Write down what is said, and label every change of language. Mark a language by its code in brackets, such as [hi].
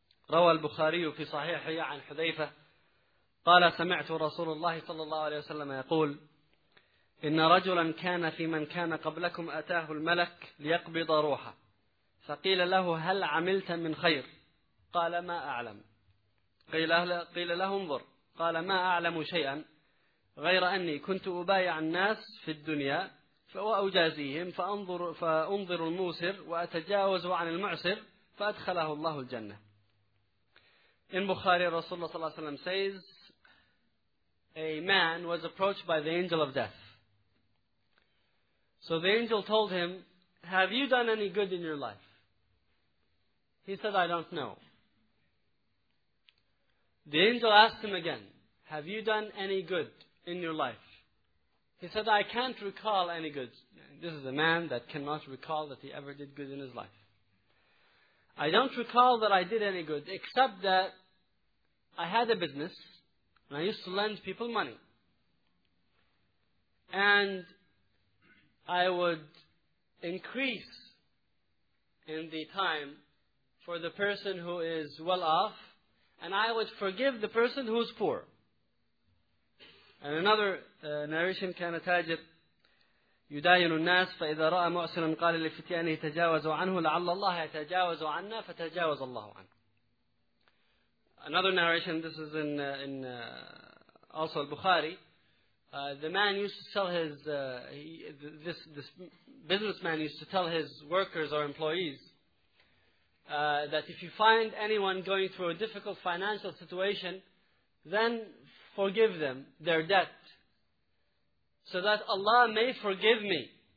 [ar] روى البخاري في صحيحه عن حذيفة قال سمعت رسول الله صلى الله عليه وسلم يقول إن رجلا كان في من كان قبلكم أتاه الملك ليقبض روحه فقيل له هل عملت من خير قال ما أعلم قيل له انظر قال ما أعلم شيئا غير أني كنت أبايع الناس في الدنيا وأجازيهم فأنظر الموسر وأتجاوز عن المعسر فأدخله الله الجنة. [en] In Bukhari, Rasulullah sallallahu alayhi wa sallam says, a man was approached by the angel of death. So the angel told him, have you done any good in your life? He said, I don't know. The angel asked him again, have you done any good in your life? He said, I can't recall any good. This is a man that cannot recall that he ever did good in his life. I don't recall that I did any good, except that I had a business, and I used to lend people money. And I would increase in the time for the person who is well off, and I would forgive the person who is poor. And another narration, [ar] كان تاجر يداين الناس فإذا رأى معسرا قال لفتيانه تجاوزوا عنه لعل الله يتجاوز عنا فتجاوز الله عنه. [en] Another narration, this is in also al-Bukhari. The man used to tell his, this businessman used to tell his workers or employees that if you find anyone going through a difficult financial situation, then forgive them their debt so that Allah may forgive me.